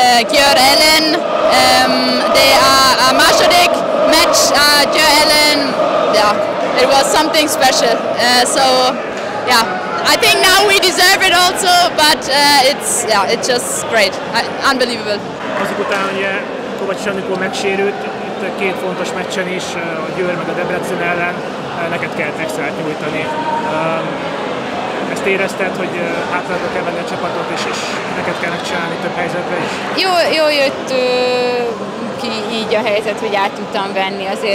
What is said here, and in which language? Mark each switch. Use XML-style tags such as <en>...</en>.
<hu>Győr ellen, de a második meccs a Győr ellen,</hu> <en>yeah, it was something special. So, yeah, I think now we deserve it also, but it's just great, unbelievable.</en> <hu>Azok után ugye Kovács Sanikó megsérült, itt két fontos meccsen is, a Győr meg a Debrecen ellen, neked kellett extrát nyújtani. Ezt érezted, hogy hátrába kell venni a csapatot, és neked kellett csinálni több helyzetbe is? Jó jött ki így a helyzet, hogy át tudtam venni.</hu>